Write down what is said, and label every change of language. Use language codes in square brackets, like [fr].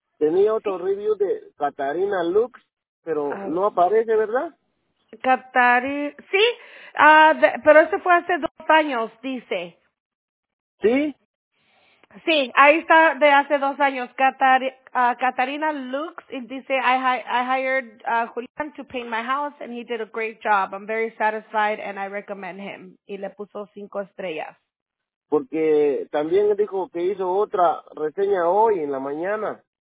[es] Tenía otro review de Catarina Lux, pero A no aparece, ¿verdad? ver. Pero ese fue hace 2 años, dice. ¿Sí? Sí, ahí está de hace 2 años. [en] Catarina Lux [es] y dice, [en] I hired Julian to paint my house and he did a great job. I'm very satisfied and I recommend him. [es] Y le puso 5 estrellas. Porque también dijo que hizo otra reseña hoy en la mañana.